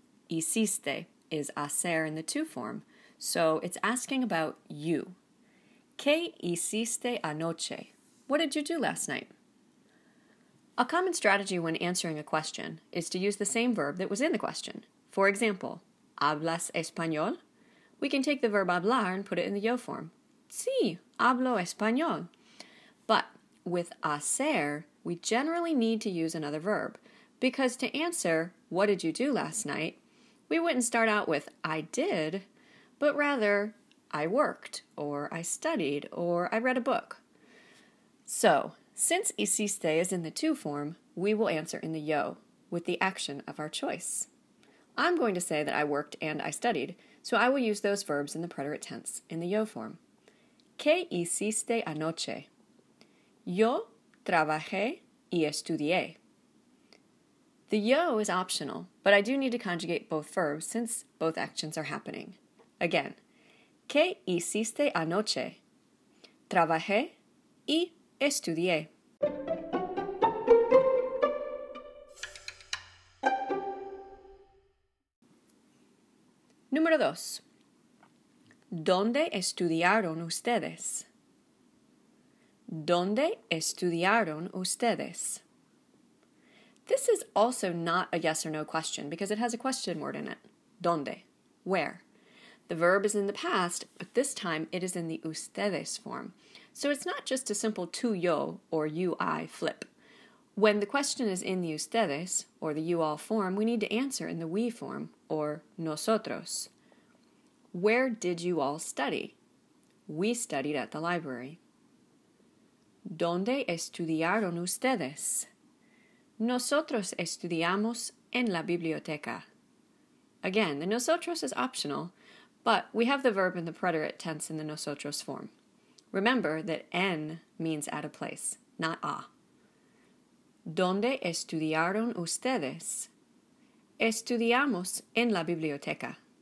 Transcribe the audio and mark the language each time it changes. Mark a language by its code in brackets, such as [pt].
[en] Hiciste is hacer in the to form, so it's asking about you. [es] ¿Qué hiciste anoche? [en] What did you do last night? A common strategy when answering a question is to use the same verb that was in the question. For example, [es] ¿hablas español? [en] We can take the verb hablar and put it in the yo form. [es] Sí, hablo español. [en] But with hacer, we generally need to use another verb, because to answer, what did you do last night? We wouldn't start out with, I did, but rather, I worked, or I studied, or I read a book. So, since hiciste is in the to form, we will answer in the yo, with the action of our choice. I'm going to say that I worked and I studied, so I will use those verbs in the preterite tense in the yo form. [es] ¿Qué hiciste anoche? Yo trabajé y estudié. [en] The yo is optional, but I do need to conjugate both verbs since both actions are happening. [es] Again, ¿qué hiciste anoche? Trabajé y estudié. Número dos. ¿Dónde estudiaron ustedes? ¿Dónde estudiaron ustedes? [en] This is also not a yes or no question because it has a question word in it. ¿Dónde? Where? The verb is in the past, but this time it is in the ustedes form. So it's not just a simple tú yo or you I flip. When the question is in the ustedes or the you all form, we need to answer in the we form or nosotros. Where did you all study? We studied at the library. [es] ¿Dónde estudiaron ustedes? Nosotros estudiamos en la biblioteca. [en] Again, the nosotros is optional, but we have the verb in the preterite tense in the nosotros form. Remember that en means at a place, not a. [es] ¿Dónde estudiaron ustedes? Estudiamos en la biblioteca.